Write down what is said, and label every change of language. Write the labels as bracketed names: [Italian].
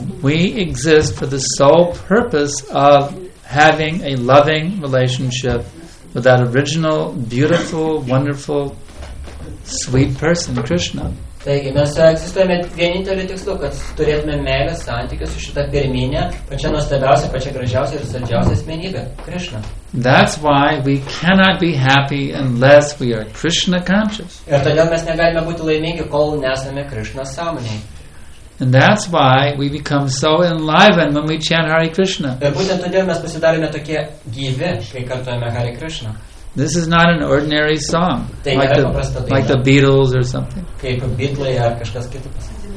[English] We exist for the sole purpose of having a loving relationship with that original, beautiful, wonderful, sweet person, Krishna. [Lithuanian] Taigi, mes egzistuojame vienintelį tikslų, kad turėtume meilę santykius su šitą pirminę, pačią nuostabiausią, pačią gražiausią ir saldžiausią asmenybę, Krishna. [English] That's why we cannot be happy unless we are Krishna conscious. [Lithuanian] Ir todėl mes negalime būti laimingi, kol nesame Krishna sąmonėje. [English] And that's why we become so enlivened when we chant Hare Krishna. [Lithuanian] Ir būtent todėl mes pasidarėme tokie gyvi, kai kartuojame Hare Krishna. [English] This is not an ordinary song, like the Beatles or something. [Lithuanian] Kaip Beatles ar kažkas kitas.